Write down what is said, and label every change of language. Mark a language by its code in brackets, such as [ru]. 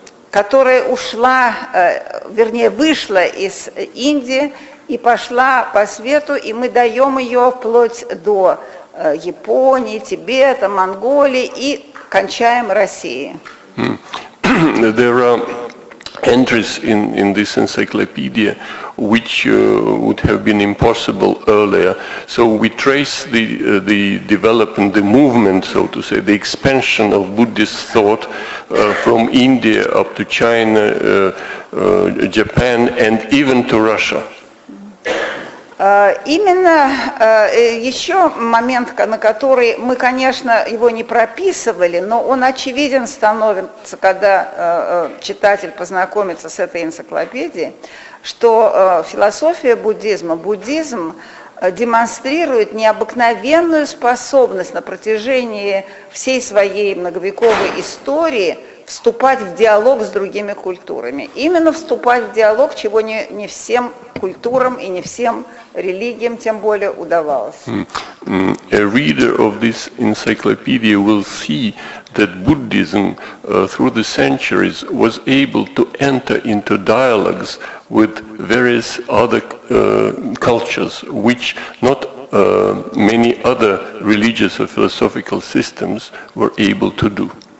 [ru] которая ушла, вернее, вышла из Индии и пошла по свету, и мы даем ее вплоть до Японии, Тибета, Монголии и кончаем России. [en] There are entries in this encyclopedia which would have been impossible earlier. So we trace the development, the movement, so to say, the expansion of Buddhist thought from India up to China, Japan, and even to Russia. [ru] Именно еще момент, на который мы, конечно, его не прописывали, но он очевиден становится, когда читатель познакомится с этой энциклопедией, что философия буддизма, буддизм демонстрирует необыкновенную способность на протяжении всей своей многовековой истории вступать в диалог с другими культурами. Именно вступать в диалог, чего не всем культурам и не всем религиям тем более удавалось. [en] A reader of this encyclopedia will see that Buddhism through the centuries was able to enter into dialogues with various other cultures, which not many other religious or philosophical systems were able to do.